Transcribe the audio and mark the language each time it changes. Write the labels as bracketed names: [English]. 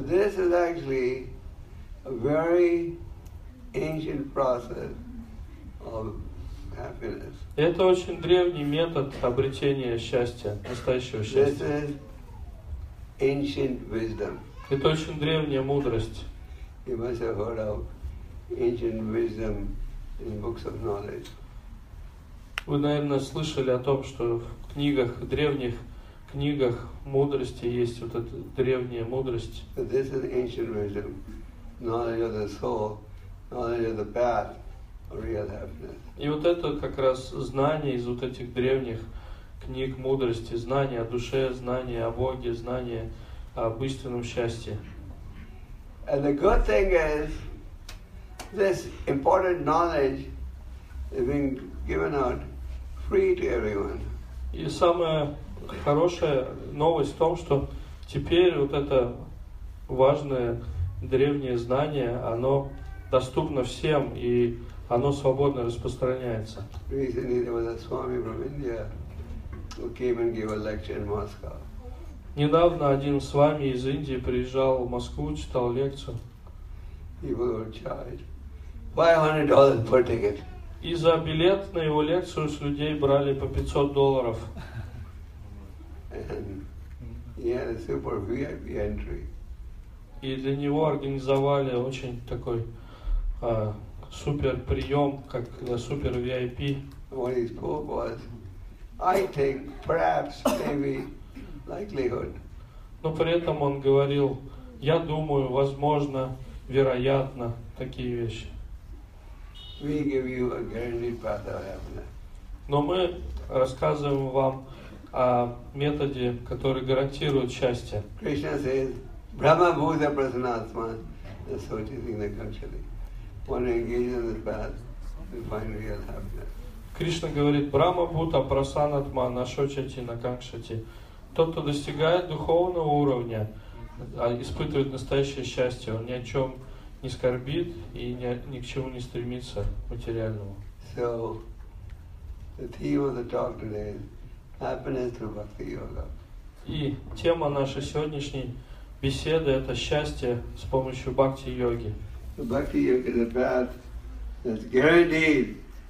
[English] So this is actually a very ancient process of happiness. [Russian] Это очень древний метод обретения счастья, настоящего счастья. [English] This is ancient wisdom. [Russian] Это очень древняя мудрость. [English] You must have heard of ancient wisdom in books of knowledge. [Russian] Вы, наверное, слышали о том, что в книгах, древних книгах мудрости есть вот эта древняя мудрость. [English] This is ancient wisdom. Knowledge of the soul, knowledge of the path of real happiness. [Russian] И вот это как раз знание из вот этих древних книг мудрости, знание о душе, знание о Боге, знание об истинном счастье. [English] And the good thing is, this important knowledge is being given out free to everyone. [Russian] И самая хорошая новость в том, что теперь вот это важное древнее знание, оно доступно всем, и оно свободно распространяется. [English] Recently there was a Swami from India who came and gave a lecture in Moscow. [Russian] Недавно один Свами из Индии приезжал в Москву, читал лекцию. [English] He was charged $500 per ticket. [Russian] И за билет на его лекцию с людей брали по $500. [English] And he had a super VIP entry. [Russian] И для него организовали очень такой супер прием, как для супер VIP. [English] What he spoke was, I think perhaps maybe likelihood. [Russian] Но при этом он говорил, я думаю, возможно, вероятно, такие вещи. [English] We give you a guaranteed path of heaven. [Russian] Но мы рассказываем вам о методе, который гарантирует счастье. [English] Krishna says, [Sanskrit] Brahma Bhuta Prasanatman, the Sochi Singhakshali. [English] When we engage in this path, we find real happiness. [Russian] Кришна говорит, [Sanskrit] Брама Бута Прасанатма Нашочати Накакшати. [Russian] Тот, кто достигает духовного уровня, испытывает настоящее счастье. Он ни о чем не скорбит и ни к чему не стремится материальному. [English] So, the theme of the talk today is happiness through Bhakti Yoga. [Russian] И тема нашей сегодняшней беседы – это счастье с помощью Бхакти Йоги. [English] So, Bhakti Yoga is a path that's guaranteed.